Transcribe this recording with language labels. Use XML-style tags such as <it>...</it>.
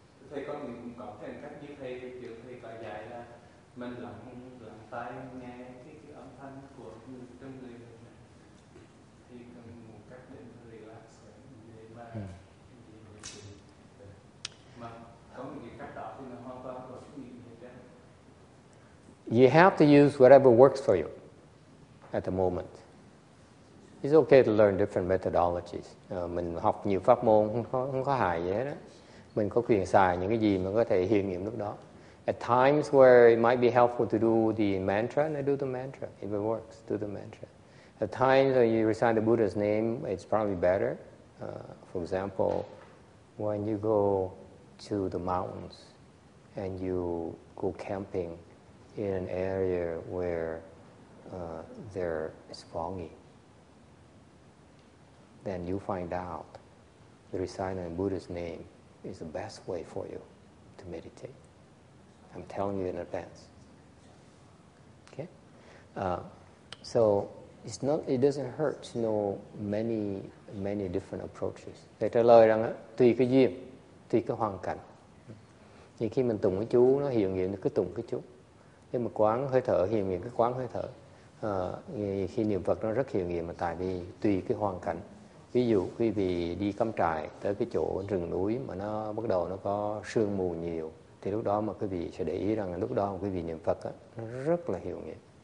<vi>Thầy có người cũng cảm thấy cách như thầy kiểu thầy có dạy là mình lặng tai nghe cái âm thanh của trong người thì cần một cách để relax để mà có những cái cách đó thì nó hoàn toàn có sức mạnh hết.</vi> <en>You have to use whatever works for you. At the moment, it's okay to learn different methodologies.</en> <vi>Mình học nhiều pháp môn không có hại gì hết. Mình có quyền xài những cái gì mà có thể hiện nghiệm lúc đó.</vi> <en>At times where it might be helpful to do the mantra, and I do the mantra. If it works, do the mantra. At times when you recite the Buddha's name, it's probably better. For example, when you go to the mountains and you go camping in an area where there is foggy, then you find out the reciting Buddha's name is the best way for you to meditate. I'm telling you in advance. Okay? So it's not, it doesn't hurt to know many, many different approaches.</en> <vi>Thầy trả lời rằng tùy cái duyên, tùy cái hoàn cảnh. Nhưng khi mình tụng cái chú, nó hiện nghiệm cứ tụng cái chú. Nhưng mà quán hơi thở, hiện nghiệm cái quán hơi thở. Khi niệm Phật nó rất hiệu nghiệm, mà tại vì tùy cái hoàn cảnh. Ví dụ quý vị đi cắm trại tới cái chỗ rừng núi mà nó bắt đầu nó có sương mù nhiều, thì lúc đó mà quý vị sẽ để ý rằng lúc đó quý vị niệm Phật đó, nó rất là hiệu nghiệm.</vi>